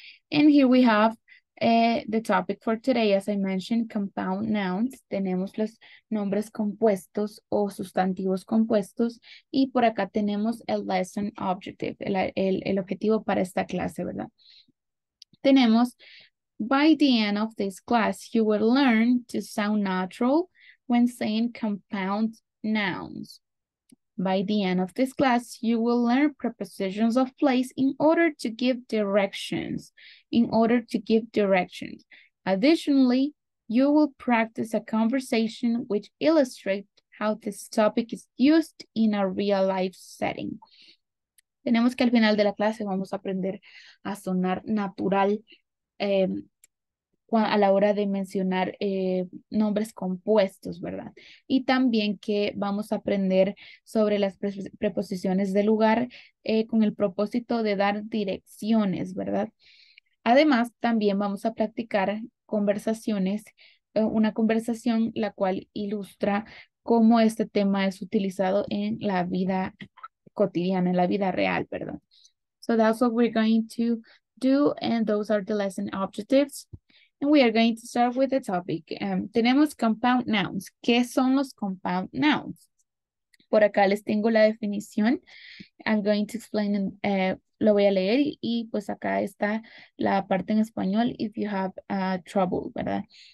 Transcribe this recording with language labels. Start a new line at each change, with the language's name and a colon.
English: And here we have the topic for today, as I mentioned, compound nouns.
Spanish: Tenemos los nombres compuestos o sustantivos compuestos, y por acá tenemos el lesson objective, el objetivo para esta clase, ¿verdad? Tenemos,
English: by the end of this class, you will learn to sound natural when saying compound nouns. By the end of this class, you will learn prepositions of place in order to give directions. In order to give directions. Additionally, you will practice a conversation which illustrates how this topic is used in a real life setting.
Spanish: Tenemos que al final de la clase vamos a aprender a sonar natural a la hora de mencionar nombres compuestos, ¿verdad? Y también que vamos a aprender sobre las preposiciones de lugar con el propósito de dar direcciones, ¿verdad? Además, también vamos a practicar conversaciones, una conversación la cual ilustra cómo este tema es utilizado en la vida cotidiana, en la vida real, ¿verdad?
English: So that's what we're going to do, and those are the lesson objectives. And we are going to start with the topic.
Spanish: Tenemos compound nouns. ¿Qué son los compound nouns? Por acá les tengo la definición.
English: I'm going to explain,
Spanish: lo voy a leer y pues acá está la parte en español
English: if you have trouble,
Spanish: ¿verdad?